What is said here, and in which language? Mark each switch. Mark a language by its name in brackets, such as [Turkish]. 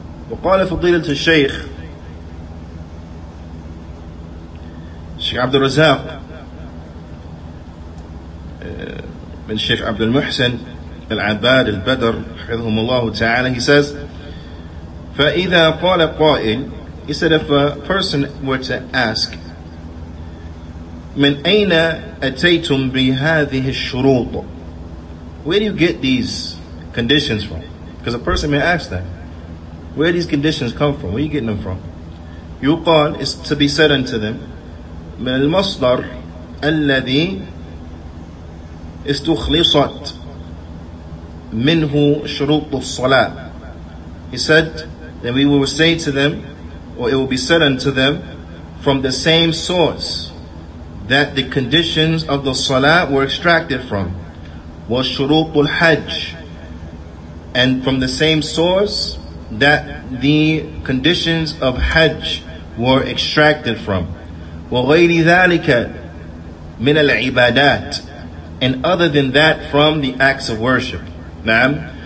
[Arabic] وَقَالَ فُضِيلَةُ الشَّيْخِ Sheikh Abdul Razak, من الشيخ عبد المحسن العباد البدر حفظهم الله تعالى, [English] he says, [Arabic] فإذا قال قائل, [English] he said, if a person were to ask, [Arabic] من أين أتيتم بهذه الشروط, [English] where do you get these conditions from? Because a person may ask that, where do these conditions come from? Where are you getting them from? [Arabic] يقال, [English] is to be said unto them, [Arabic] من المصدر الذي استخلصت منه شروط الصلاة. [English] He said that we will say to them, or it will be said unto them, from the same source that the conditions of the salah were extracted from, was [Arabic] شروط الحج, [English] and from the same source that the conditions of Hajj were extracted from, [Arabic] وغير ذلك من العبادات, [English] and other than that from the acts of worship. Naam.